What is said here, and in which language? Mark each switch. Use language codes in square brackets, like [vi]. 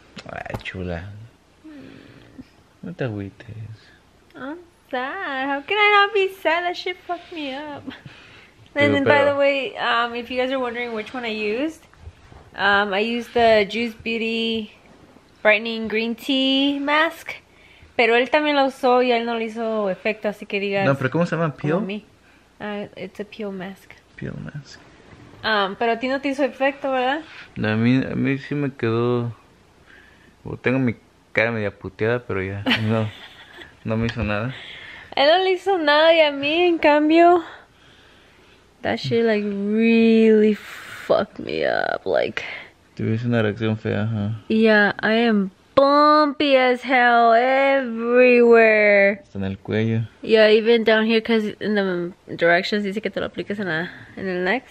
[es] Ay, chula. No te agüites. [en] I'm sad. How can I not be sad? That shit fucked me up. And then, by the way, if you guys are wondering which one I used the Juice Beauty Brightening Green Tea Mask. [es] Pero él también la usó y él no le hizo efecto, así que digas... No, pero ¿cómo se llama? ¿Peel? [en] It's a peel mask. Peel mask. [es] Pero a ti no te hizo efecto, ¿verdad? No, a mí sí me quedó... Bueno, tengo mi cara media puteada, pero ya, no. No me hizo nada. Él no le hizo nada y a mí, en cambio... [en] That shit, like, really fucked me up, like... [es] Tuviste una reacción fea, huh? [en] Yeah, I am bumpy as hell everywhere. [es] Está en el cuello. [en] Yeah, even down here, because in the directions, [es] dice que te lo apliques en el [en] neck.